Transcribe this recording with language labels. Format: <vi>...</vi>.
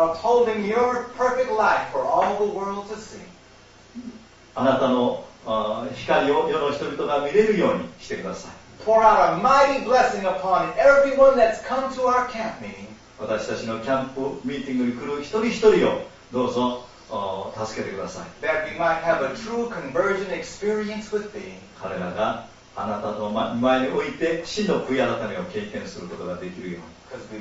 <en>Upholding your perfect light for all the world to see.</en> <ja>あなたの光を世の人々が見れるようにしてください。</ja> <en>Pour out a mighty blessing upon everyone that's come to our camp meeting.</en> <ja>私たちのキャンプミーティングに来る一人一人をどうぞ助けてください。</ja> <en>That we might have a true conversion experience with thee.</en> <ja>彼らがあなたの前において真の悔い改めを経験することができるように。</ja>